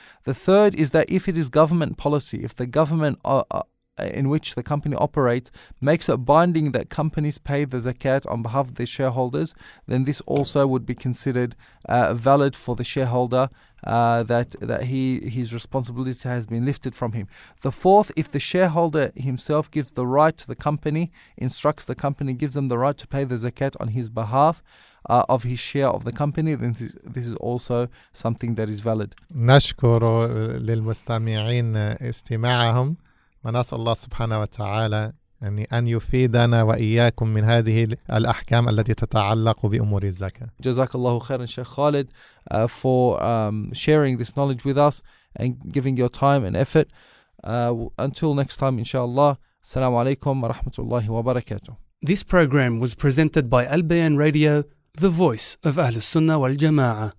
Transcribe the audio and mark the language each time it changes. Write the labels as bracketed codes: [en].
[en] The third is that if it is government policy, if the government in which the company operates makes it binding that companies pay the zakat on behalf of the shareholders, then this also would be considered valid for the shareholder, that his responsibility has been lifted from him. The fourth, if the shareholder himself gives the right to the company, instructs the company, gives them the right to pay the zakat on his behalf, of his share of the company, then this is also something that is valid. [ar] نشكر للمستمعين استماعهم، ونسأل الله سبحانه وتعالى يعني أن يفيدنا وإياكم من هذه الأحكام التي تتعلق بأمور الزكاة. جزاك الله خيرا [en] شيخ خالد for sharing this knowledge with us and giving your time and effort. Until next time inshallah. [ar] السلام عليكم ورحمة الله وبركاته. [en] This program was presented by Al Bayan Radio, the voice of Ahlus Sunnah wal Jama'ah.